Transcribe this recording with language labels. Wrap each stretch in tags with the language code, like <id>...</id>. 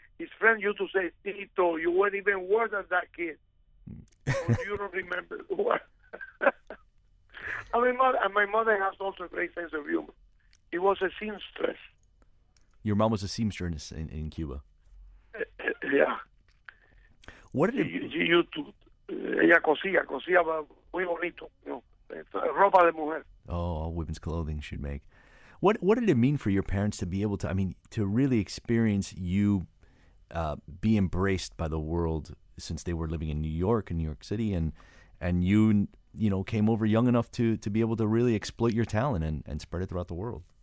<en>His friend used to say, "Tito, you weren't even worse than that kid." You don't remember what? my mother has also a great sense of humor. She was a seamstress. Your mom was a seamstress in Cuba. Yeah. What did she used to?</en> <es>Ella cosía muy bonito,</es> <en>you know.</en> <es>Ropa de mujer.</es> <en>Oh, all women's clothing should make. What did it mean for your parents to be able to, I mean, to really experience you be embraced by the world since they were living in New York, in New York City, and you, you know, came over young enough to be able to really exploit your talent and spread it throughout the world?</en>